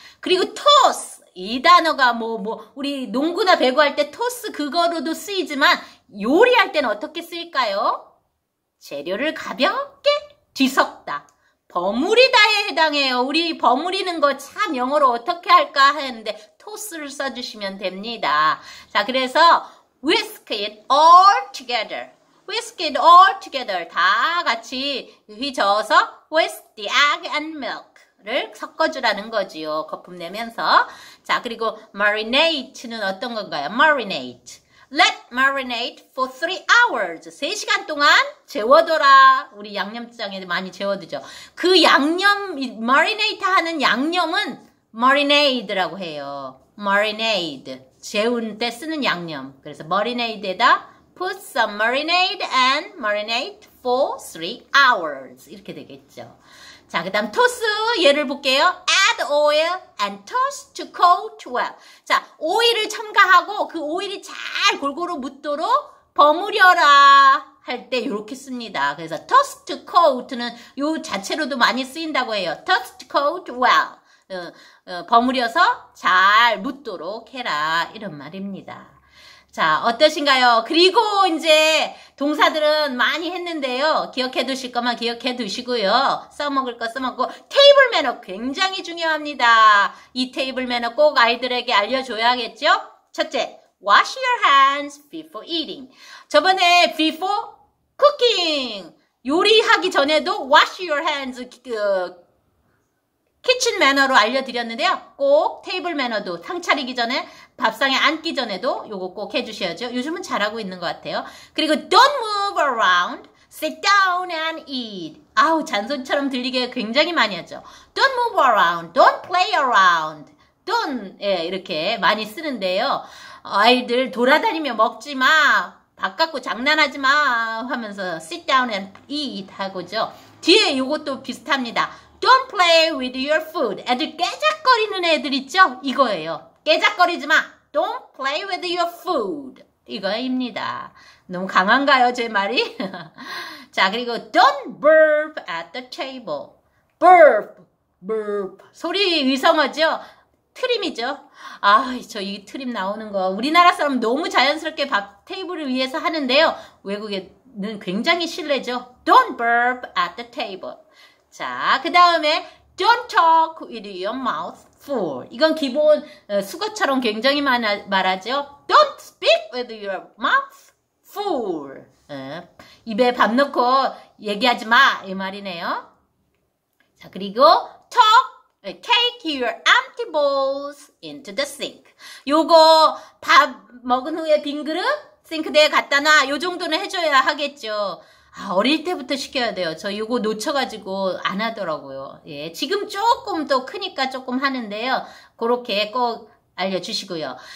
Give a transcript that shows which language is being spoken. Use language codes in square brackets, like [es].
[ko] 그리고 toss, 이 단어가 우리 농구나 배구할 때 toss 그거로도 쓰이지만 요리할 때는 어떻게 쓸까요? 재료를 가볍게 뒤섞다. 버무리다에 해당해요. 우리 버무리는 거 참 영어로 어떻게 할까 했는데 토스를 써주시면 됩니다. [en] 자, 그래서 whisk it all together. whisk it all together. [ko] 다 같이 휘저어서 [en] whisk the egg and milk [ko] 를 섞어주라는 거지요. 거품 내면서. 자, 그리고 marinate는 어떤 건가요? [en] marinate. Let marinate for 3 hours. [ko] 3시간 동안 재워둬라. 우리 양념장에 많이 재워두죠. 그 양념, marinate 하는 양념은 marinade라고 해요. marinade. 재운 때 쓰는 양념. [en] 그래서 marinade에다 put some marinade and marinate for 3 hours. [ko] 이렇게 되겠죠. 자, 그 다음 토스 예를 볼게요. [en] Add oil and toss to coat well. [ko] 자, 오일을 첨가하고 그 오일이 잘 골고루 묻도록 버무려라 할 때 이렇게 씁니다. 그래서 [en] toss to coat [ko] 는 요 자체로도 많이 쓰인다고 해요. [en] Toss to coat well. [ko] 버무려서 잘 묻도록 해라. 이런 말입니다. 자, 어떠신가요? 그리고 이제 동사들은 많이 했는데요. 기억해 두실 것만 기억해 두시고요. 써먹을 거 써먹고. 테이블 매너 굉장히 중요합니다. 이 테이블 매너 꼭 아이들에게 알려줘야겠죠? [en] 첫째, wash your hands before eating. 저번에 before cooking. [ko] 요리하기 전에도 [en] wash your hands. [ko] 키친 매너로 알려드렸는데요. 꼭 테이블 매너도 탕 차리기 전에 밥상에 앉기 전에도 요거 꼭 해주셔야죠. 요즘은 잘하고 있는 것 같아요. [en] 그리고 don't move around, sit down and eat. [ko] 아우, 잔소리처럼 들리게 굉장히 많이 하죠. [en] Don't move around, don't play around, don't, [ko] 예, 이렇게 많이 쓰는데요. 아이들 돌아다니며 먹지 마, 밥 갖고 장난하지 마 하면서 [en] sit down and eat [ko] 하고죠. 뒤에 요것도 비슷합니다. [en] Don't play with your food. [ko] 애들 깨작거리는 애들 있죠? 이거예요. 깨작거리지 마. [en] Don't play with your food. [ko] 이거입니다. 너무 강한가요, 제 말이? [en] 자, 그리고 don't burp at the table. Burp, burp. [ko] 소리 위성어죠? 트림이죠. 아, 저 이 트림 나오는 거 우리나라 사람 너무 자연스럽게 밥 테이블을 위해서 하는데요. 외국에는 굉장히 실례죠. [en] Don't burp at the table. 자, 그 다음에 don't talk with your mouth full. [ko] 이건 기본 수거처럼 굉장히 말하죠. [en] Don't speak with your mouth full. [ko] 입에 밥 넣고 얘기하지 마, 이 말이네요. [en] 자, 그리고 take your empty bowls into the sink. [ko] 요거 밥 먹은 후에 빈 그릇 싱크대에 갖다 놔. 요 정도는 해줘야 하겠죠. 어릴 때부터 시켜야 돼요. 저 이거 놓쳐가지고 안 하더라고요. 예, 지금 조금 더 크니까 조금 하는데요. 그렇게 꼭 알려주시고요.